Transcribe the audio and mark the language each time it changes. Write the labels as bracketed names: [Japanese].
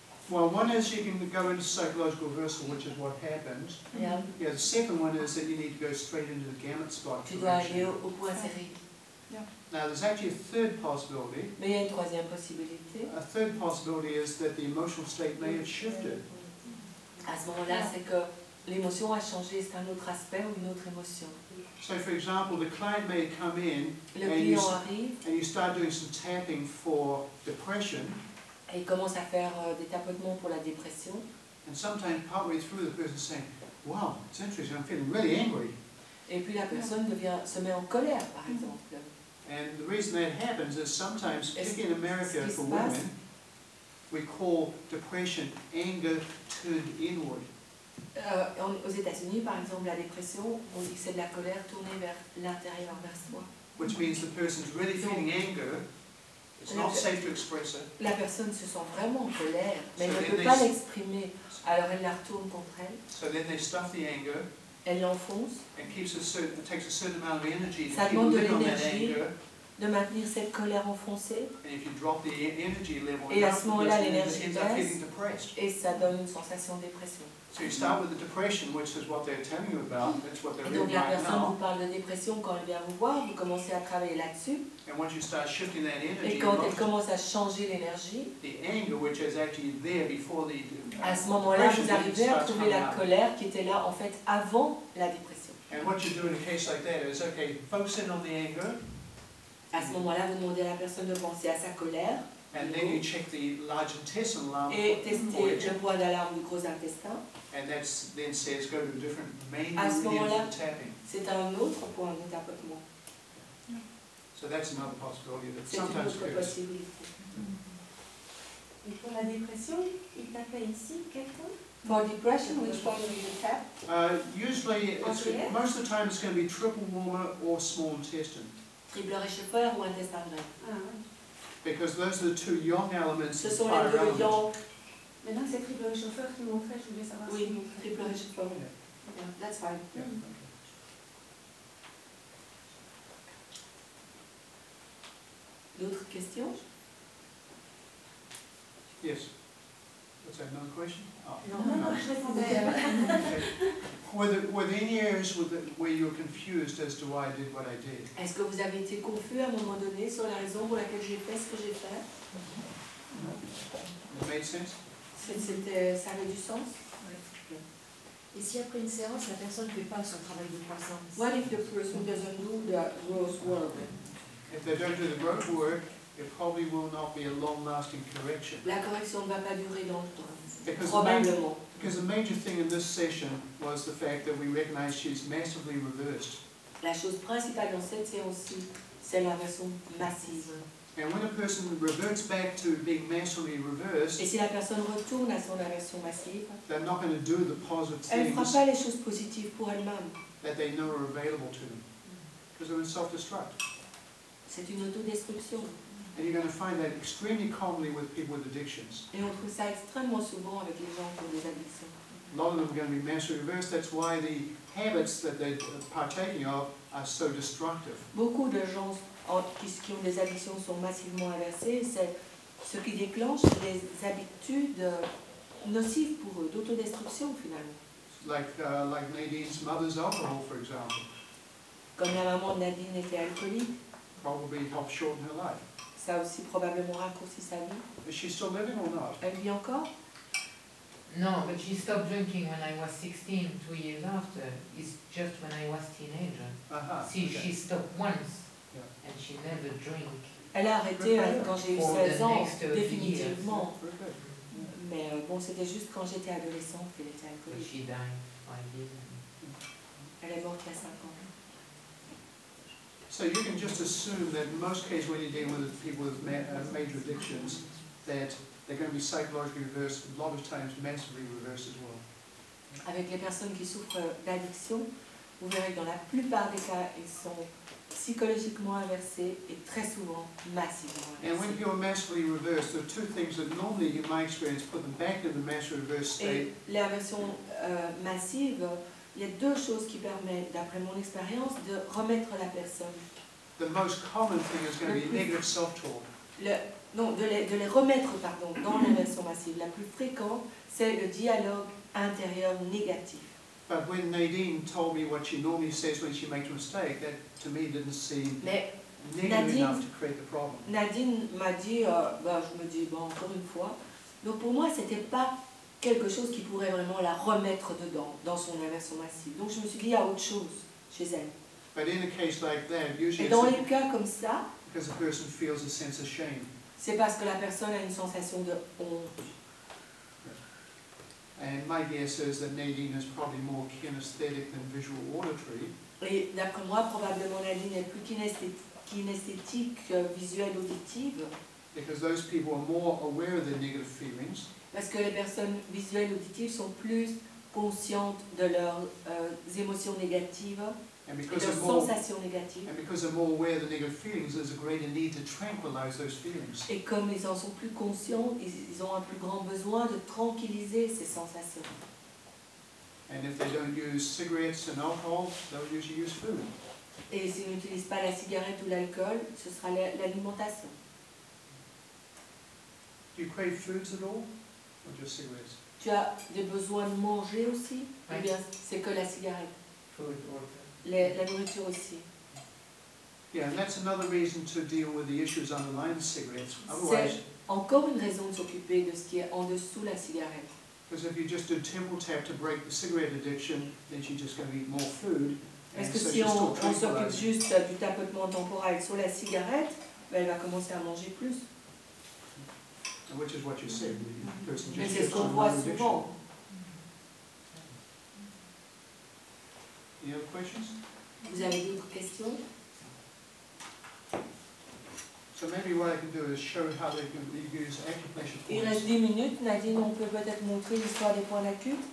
[English] Well, one is you can go into psychological reversal, which is what happened. Yeah. Yeah. The second one is that you need to go straight into the gamut spot. [French] Tu dois aller au point serré. [English] Yeah. Now, there's actually a third possibility. [French] Mais il y a une troisième possibilité. [English] A third possibility is that the emotional state may have shifted. [French] À ce moment-là, c'est que l'émotion a changé. C'est un autre aspect ou une autre émotion. [English] So, for example, the client may come in and you start doing some tapping for depression. [French] Et il commence à faire des tapotements pour la dépression. [English] And sometimes, partway through, the person is saying, "Wow, it's interesting. I'm feeling really angry." [French] Et puis la personne se met en colère, par exemple. [English] And the reason that happens is sometimes, particularly in America, for women, we call depression anger turned inward. [French] Aux États-Unis, par exemple, la dépression, on dit que c'est de la colère tournée vers l'intérieur, vers soi. [English] Which means the person's really feeling anger. It's not safe to express it. [French] La personne se sent vraiment en colère, mais elle ne peut pas l'exprimer. Alors elle la retourne contre elle. [English] So then they stuff the anger. [French] Elle l'enfonce. [English] And keeps it takes a certain amount of energy. [French] Ça demande de l'énergie de maintenir cette colère enfoncée. [English] And if you drop the energy level, [French] et à ce moment-là, l'énergie baisse. Et ça donne une sensation de dépression. [English] So you start with the depression, which is what they're telling you about. That's what they're doing right now. [French] Et donc la personne vous parle de dépression quand elle vient vous voir, vous commencez à travailler là-dessus. [English] And once you start shifting that energy, [French] et quand elle commence à changer l'énergie, [English] the anger, which is actually there before the [French] à ce moment-là, vous arrivez à trouver la colère qui était là en fait avant la dépression. [English] And what you do in a case like that is okay, focus in on the anger. [French] À ce moment-là, vous demandez à la personne de penser à sa colère. [English] And then you check the large intestinal alarm. [French] Et tester le point d'alarme du gros intestin. [English] And that then says go to a different main unit for tapping. [French] C'est un autre point de tapotement. [English] So that's another possibility that [French] c'est [English] sometimes [French] une autre possibilité. Et pour la dépression, il tapait ici quelqu'un? [English] For depression, which point will you tap? Usually, it's, most of the time, it's going to be triple warmer or small intestine. [French] Triple réchauffeur ou intestin grêle. Ah. [English] Because those are the two yang elements. [French] Ce sont les deux yang. Maintenant, c'est triple réchauffeur qui montrait. Je voulais savoir. Oui, triple réchauffeur. [English] Yeah. Yeah, that's fine. Yeah. Mm-hmm. [French] D'autres questions? [English] Yes. Was that another question? [French] Oh. No, je répondais. [English] Were there any areas where you were confused as to why I did what I did? [French] Est-ce que vous avez été confus à un moment donné sur la raison pour laquelle j'ai fait ce que j'ai fait? [English] It made sense? [French] Ça avait du sens? Et si après une séance, la personne ne fait pas son travail de croissance? [English] What if the person doesn't do the growth work? If they don't do the growth work, it probably will not be a long-lasting correction. [French] La correction ne va pas durer longtemps. [English] Because the major thing in this session was the fact that we recognize she's massively reversed. [French] La chose principale dans cette séance-ci, c'est l'inversion massive. [English] And when a person reverts back to being massively reversed, [French] et si la personne retourne à son inversion massive, [English] they're not going to do the positive [French] elle Elle ne fera pas les choses positives pour elle-même. [English] That they know are available to them, because they're in self-destruct. [French] C'est une autodestruction. [English] And you're going to find that extremely commonly with people with addictions. [French] Et on trouve ça extrêmement souvent avec les gens qui ont des addictions. [English] A lot of them are going to be massively reversed. That's why the habits that they're partaking of are so destructive. [French] Beaucoup de gens qui ont des addictions sont massivement inversés. C'est ce qui déclenche des habitudes nocives pour eux, d'autodestruction finalement. [English] Like Nadine's mother's alcohol, for example. [French] Comme la maman de Nadine était alcoolique. [English] Probably helped shorten her life. [French] Ça aussi probablement raccourci sa vie. [English] Is she still living or not? [French] Elle vit encore? [English] No, but she stopped drinking when I was 16, 2 years after. It's just when I was teenager. Uh-huh, see, okay. She stopped once, yeah. And she never drank. [French] Elle a arrêté quand j'ai eu 16 ans, définitivement. [English] Yeah. [French] Mais bon, c'était juste quand j'étais adolescente qu'elle était alcoolique. [English] But she died 5 years ago. [French] Elle est morte il y a 5 ans. [English] So you can just assume that in most cases when you're dealing with people with major addictions, that they're going to be psychologically reversed, a lot of times massively reversed as well. [French] Avec les personnes qui souffrent d'addiction, vous verrez que dans la plupart des cas, ils sont psychologiquement inversés et très souvent massivement inversés. [English] And when you're massively reversed, there are two things that normally, in my experience, put them back in the massively reversed state. [French] Et l'inversion massive, il y a deux choses qui permettent, d'après mon expérience, de remettre la personne. [English] The most common thing is going to be negative self-talk. [French] De les remettre dans l'inversion massive. La plus fréquente, c'est le dialogue intérieur négatif. [English] But when Nadine told me what she normally says when she makes a mistake, that to me didn't seem negative enough to create the problem. [French] Nadine m'a dit, encore une fois. Donc pour moi, c'était pas quelque chose qui pourrait vraiment la remettre dedans, dans son inversion massive. Donc je me suis dit, il y a autre chose chez elle. [English] But in a case like that, [French] et dans les cas comme ça, [English] because a person feels a sense of shame. [French] C'est parce que la personne a une sensation de honte. [English] And my guess is that Nadine is probably more kinesthetic than visual auditory. [French] Et d'après moi, probablement Nadine est plus kinesthétique que visuelle auditive. [English] Because those people are more aware of their negative feelings. [French] Parce que les personnes visuelles auditives sont plus conscientes de leurs émotions négatives et de leurs sensations négatives. [English] And because they're more aware of the negative feelings, there's a greater need to tranquilize those feelings. [French] Et comme ils en sont plus conscients, ils ont un plus grand besoin de tranquilliser ces sensations. [English] And if they don't use cigarettes and alcohol, they'll usually use food. [French] Et s'ils n'utilisent pas la cigarette ou l'alcool, ce sera l'alimentation. [English] Do you crave foods at all? Just [French] tu as des besoins de manger aussi? [English] Right. [French] Eh bien, c'est que la cigarette. La nourriture aussi. [English] Yeah, and that's another reason to deal with the issues underlying cigarettes. Otherwise, [French] c'est encore une raison de s'occuper de ce qui est en dessous la cigarette. [English] Because if you just do temple tap to break the cigarette addiction, then you're just going to eat more food. [French] Est-ce [English] and [French] que [English] so [French] si on s'occupe juste du tapotement temporel sur la cigarette, ben elle va commencer à manger plus. [English] Which is what you said. [French] Mais c'est ce qu'on voit souvent. [English] You have questions? [French] Vous avez d'autres questions? [English] So maybe what I can do is show how they can use acupressure points. [French] Il reste 10 minutes, Nadine, on peut peut-être montrer l'histoire des points d'acupuncture.